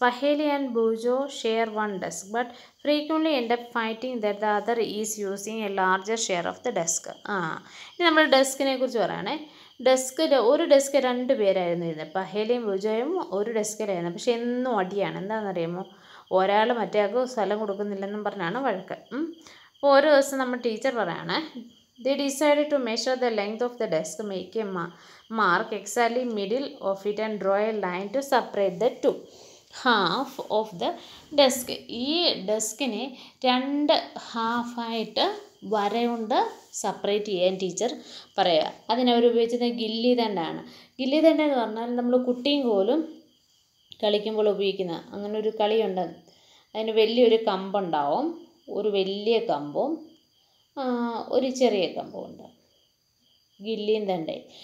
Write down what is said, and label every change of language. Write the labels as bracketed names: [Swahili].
[English] Paheli and Boojho share one desk but frequently end up fighting that the other is using a larger share of the desk. [Malayalam] ഇനി നമ്മൾ ഡെസ്കിനെ കുറിച്ച് പറയുകയാണേ, desk ഒരു desk രണ്ട് പേരായിരുന്നു ഇരുന്നത്, പഹേലിയും ബൂജോയും ഒരു ഡെസ്കിലായിരുന്നു. പക്ഷേ എന്നും അടിയാണ്, എന്താണെന്നറിയുമോ, ഒരാൾ മറ്റേ ആൾക്ക് സ്ഥലം കൊടുക്കുന്നില്ലെന്നും പറഞ്ഞാണ് വഴക്ക്. അപ്പോൾ ഓരോ ദിവസം നമ്മൾ teacher പറയുകയാണേ, [English] They decided to measure the length of the desk, make a mark exactly middle of it and draw a line to separate the two half of the desk. [Malayalam] ഈ ഡെസ്കിനെ രണ്ട് ഹാഫായിട്ട് വരയുണ്ട് സെപ്പറേറ്റ് ചെയ്യാൻ ടീച്ചർ പറയുക. അതിനവരുപയോഗിച്ചത് ഗില്ലി തണ്ടാണ്. ഗില്ലി തണ്ട എന്ന് പറഞ്ഞാൽ നമ്മൾ കുട്ടിയും കോലും കളിക്കുമ്പോൾ ഉപയോഗിക്കുന്ന അങ്ങനെ ഒരു കളിയുണ്ട്. അതിന് വലിയൊരു കമ്പുണ്ടാവും, ഒരു വലിയ കമ്പും ഒരു ചെറിയ കമ്പും ഉണ്ട്, ഗില്ലിയും തണ്ടെ.